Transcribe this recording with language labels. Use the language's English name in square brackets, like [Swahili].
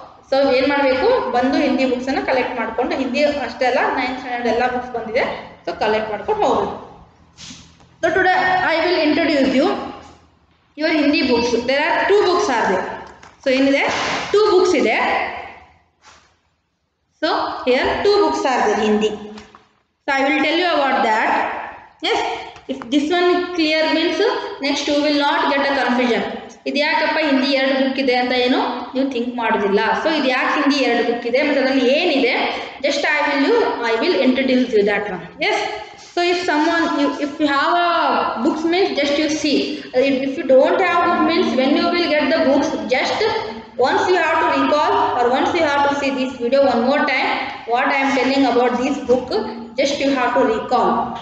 [Kannada] So ಏನು ಮಾಡಬೇಕು ಬಂದು ಹಿಂದಿ ಬುಕ್ಸನ್ನು ಕಲೆಕ್ಟ್ ಮಾಡಿಕೊಂಡು ಹಿಂದಿ ಅಷ್ಟೇ ಅಲ್ಲ ನೈನ್ತ್ ಸ್ಟ್ಯಾಂಡರ್ಡ್ ಎಲ್ಲ ಬುಕ್ಸ್ ಬಂದಿದೆ ಸೊ ಕಲೆಕ್ಟ್ ಮಾಡ್ಕೊಂಡು ಹೋಗೋದು so [English] today I will introduce you your Hindi books there are two books are there [Kannada] so ಏನಿದೆ ಟೂ ಬುಕ್ಸ್ ಇದೆ [English] So here two books are there Hindi. So I will tell you about that. Yes, if this one clear means next two will not get a confusion. [Kannada] ಇದು ಯಾಕಪ್ಪ ಹಿಂದಿ ಎರಡು book ಇದೆ ಅಂತ ಏನು ನೀವು think ಮಾಡೋದಿಲ್ಲ so ಇದು ಯಾಕೆ ಹಿಂದಿ ಎರಡು ಬುಕ್ ಇದೆ ಮತ್ತು ಅದರಲ್ಲಿ ಏನಿದೆ [English] just I will introduce you that one yes so if someone if you have uh books means just you see if you don't have book means when you will get the books just once you have to recall or once you have to see this video one more time what I am telling about this book just you have to recall